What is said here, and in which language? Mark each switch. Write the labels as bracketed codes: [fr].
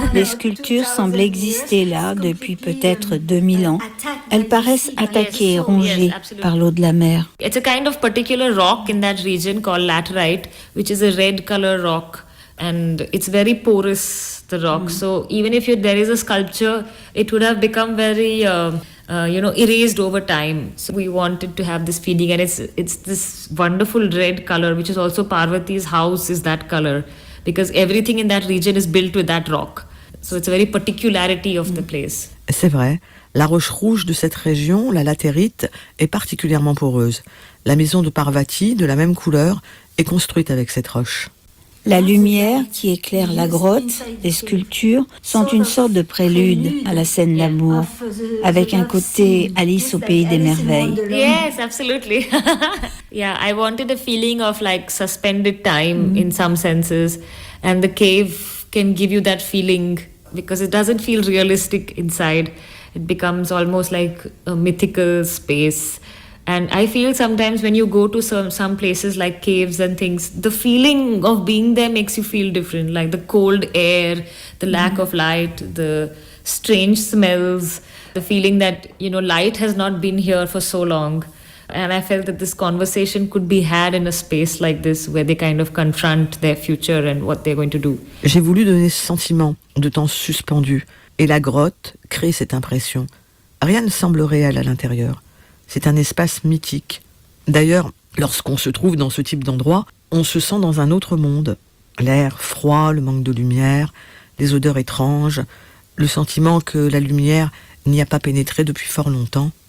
[fr] Les sculptures semblent exister là depuis peut-être 2000 ans. Elles paraissent attaquées et rongées par l'eau de la mer. [en] It's a kind of particular rock in that region called laterite, which is a red color rock, and it's very porous, the rock. So even if there is a sculpture, it would have become very erased over time. So we wanted to have this feeling, and it's this wonderful red color, which is also Parvati's house is that color, because everything in that region is built with that rock. So it's a very particularity of the place. [fr] C'est vrai. La roche rouge de cette région, la latérite, est particulièrement poreuse. La maison de Parvati, de la même couleur, est construite avec cette roche. La lumière qui éclaire la grotte, les sculptures, sont une sorte de prélude à la scène d'amour, avec un côté Alice au pays des merveilles. [en] Yes, absolutely. Yeah, I wanted a feeling of like suspended time in some senses, and the cave can give you that feeling because it doesn't feel realistic inside. It becomes almost like a mythical space. And I feel sometimes when you go to some places like caves and things, the feeling of being there makes you feel different, like the cold air, the lack of light, the strange smells, the feeling that, you know, light has not been here for so long. And I felt that this conversation could be had in a space like this where they kind of confront their future and what they're going to do. [fr] J'ai voulu donner ce sentiment de temps suspendu et la grotte crée cette impression. Rien ne semble réel à l'intérieur. C'est un espace mythique. D'ailleurs, lorsqu'on se trouve dans ce type d'endroit, on se sent dans un autre monde. L'air froid, le manque de lumière, les odeurs étranges, le sentiment que la lumière n'y a pas pénétré depuis fort longtemps.